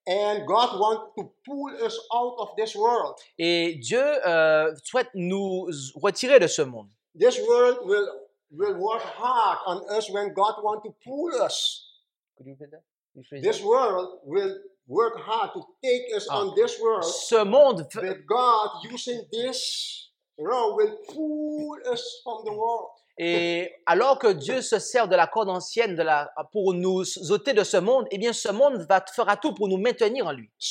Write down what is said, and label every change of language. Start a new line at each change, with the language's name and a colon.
English: And God wants to pull us out of this world.
French: Et Dieu souhaite nous retirer de ce monde.
English: This world will work hard on us when God wants to pull us. Could you repeat that? This world will work hard to take us on this world.
French: Ce monde,
English: but God using this road will pull us from the world.
French: Et alors que Dieu se sert de la corde ancienne de la, pour nous ôter de ce monde, eh bien, ce monde va, fera tout pour nous maintenir en lui.